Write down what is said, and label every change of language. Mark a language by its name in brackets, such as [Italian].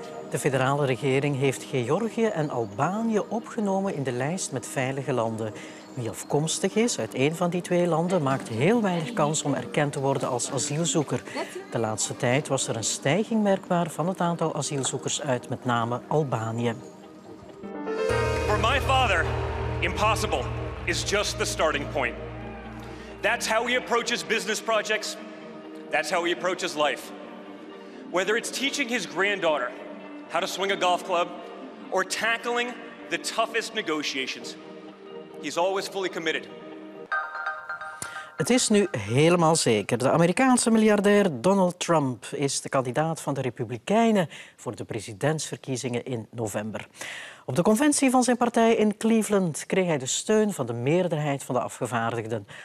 [Dutch] De federale regering heeft Georgië en Albanië opgenomen in de lijst met veilige landen. Wie afkomstig is uit een van die twee landen, maakt heel weinig kans om erkend te worden als asielzoeker. De laatste tijd was er een stijging merkbaar van het aantal asielzoekers uit met name Albanië. [English] For my father, impossible is just the starting point. That's how he approaches business projects. That's how he approaches life. Whether it's teaching his granddaughter how to swing a golf club, or tackling the toughest negotiations. He's always fully committed. [Dutch] Het is nu helemaal zeker. De Amerikaanse miljardair Donald Trump is de kandidaat van de Republikeinen voor de presidentsverkiezingen in november. Op de conventie van zijn partij in Cleveland kreeg hij de steun van de meerderheid van de afgevaardigden.